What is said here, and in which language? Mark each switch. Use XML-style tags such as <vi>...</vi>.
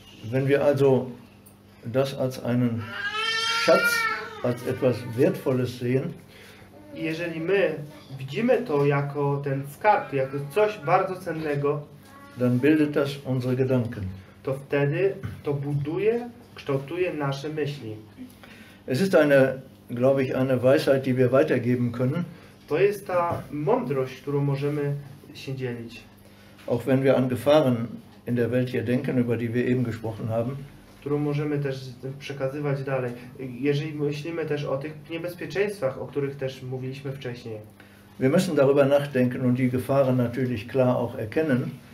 <de>Wenn wir also das als einen Schatz, als etwas Wertvolles sehen,</de> <pl>jeżeli my widzimy to jako ten skarb, jako coś bardzo cennego,</pl> <de>dann bildet das unsere Gedanken.</de> <pl>To wtedy to buduje, kształtuje nasze myśli.</pl> <de>Es ist eine, glaube ich, eine Weisheit, die wir weitergeben können.</de> <pl>To jest ta mądrość, którą możemy się dzielić.</pl> <de>Auch wenn wir an Gefahren in der Welt hier denken, über die wir eben gesprochen haben.</de> <pl>Którą możemy też przekazywać dalej. Jeżeli myślimy też o tych niebezpieczeństwach, o których też mówiliśmy wcześniej.</pl> <de>Wir müssen darüber nachdenken und die Gefahren natürlich klar auch erkennen.</de>